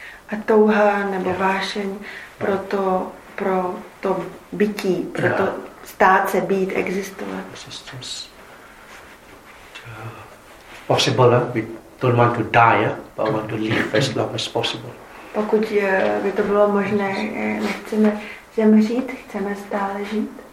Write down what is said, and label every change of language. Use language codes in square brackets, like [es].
[cs] A touha nebo vášeň pro to bytí, pro to stát se, být, existovat. [en] Existence. Possible, we don't want to die, but want to live as long as possible. [cs] Pokud by to bylo možné, nechceme zemřít, chceme stále žít.